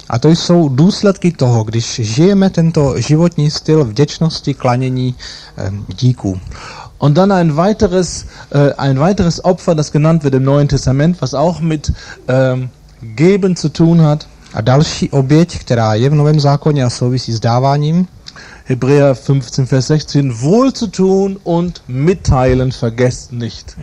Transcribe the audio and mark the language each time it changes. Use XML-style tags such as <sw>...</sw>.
<cs>A to jsou důsledky toho, když žijeme tento životní styl vděčnosti, klanění, díku.</cs> <de>Und dann ein weiteres Opfer, das genannt wird im Neuen Testament, was auch mit geben zu tun hat.</de> <cs>A další oběť, která je v Novém zákoně a souvisí s dáváním.</cs> <de>Hebräer 15, Vers 16, wohl zu tun und mitteilen, vergesst nicht.</de>